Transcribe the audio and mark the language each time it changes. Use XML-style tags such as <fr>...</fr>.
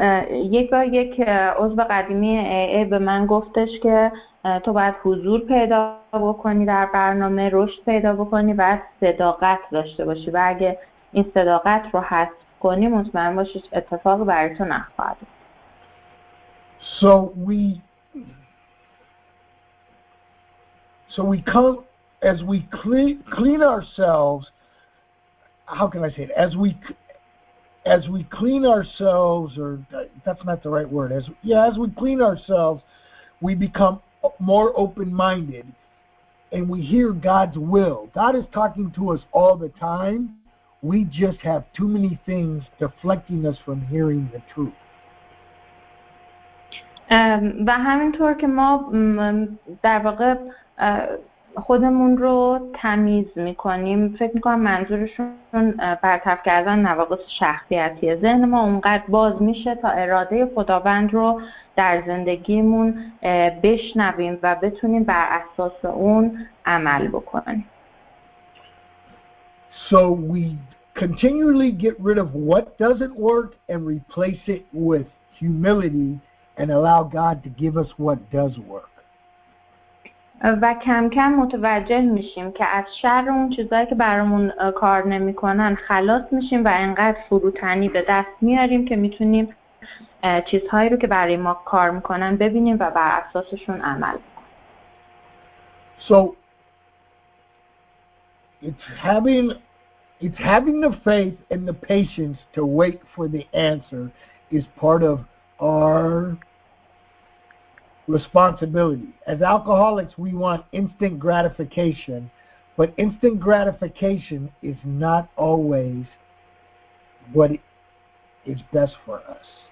<fa>یک عضو قدیمی AA به من گفتش که تو باید حضور پیدا بکنی در برنامه، رشد پیدا بکنی و صداقت داشته باشی و اگه این صداقت رو حذف کنی مطمئن باشی اتفاق برای تو نخواهد.</fa> <en>So we come as we clean ourselves, how can I say it, as we clean ourselves, or that's not the right word. As we clean ourselves, we become more open-minded, and we hear God's will. God is talking to us all the time. We just have too many things deflecting us from hearing the truth.</en> <fa>و همینطور که ما در واقع خودمون رو تمیز میکنیم، فکر میکنم منظورشون برطرف کردن نواقص شخصیتیه. ذهن ما اونقدر باز میشه تا اراده خداوند رو در زندگیمون بشنویم و بتونیم بر اساس اون عمل بکنیم.</fa> <en>So we continually get rid of what doesn't work and replace it with humility and allow God to give us what does work.</en> <fa>و کم کم متوجه میشیم که از شر اون چیزایی که برامون کار نمیکنن خلاص میشیم و انقدر فروتنی به دست میاریم که میتونیم چیزهایی رو که برای ما کار میکنن ببینیم و بر اساسشون عمل کنیم.</fa> <en>So it's having the faith and the patience to wait for the answer is part of our responsibility. As alcoholics, we want instant gratification, but instant gratification is not always what is best for us.</en>